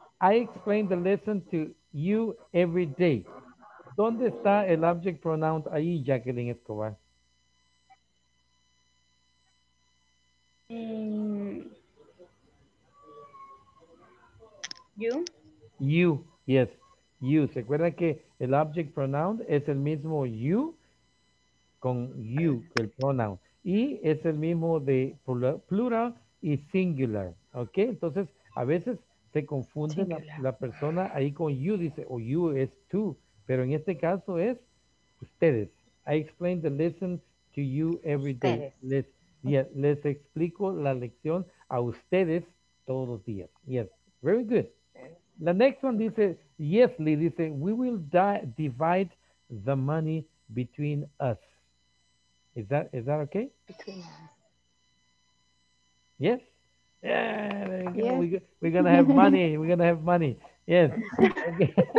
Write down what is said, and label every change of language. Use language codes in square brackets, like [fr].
[en] I explain the lesson to you every day. [es] ¿Dónde está el object pronoun ahí, Jacqueline Escobar? [en] You. You, yes. You. [es] ¿Se acuerdan que el object pronoun es el mismo you con you, el pronoun? Y es el mismo de plural y singular. ¿Ok? Entonces, a veces se confunde la persona ahí con you. Dice, you es tú. Pero en este caso es ustedes. [en] I explain the lesson to you every day. [es] Les explico la lección a ustedes todos los días. [en] Yes. Very good. The next one dice, yes, Lee, dice, we will divide the money between us. Is that okay? Between us. Yes? Yeah, yes. We're going to have money. We're going to have money. Yes. Okay.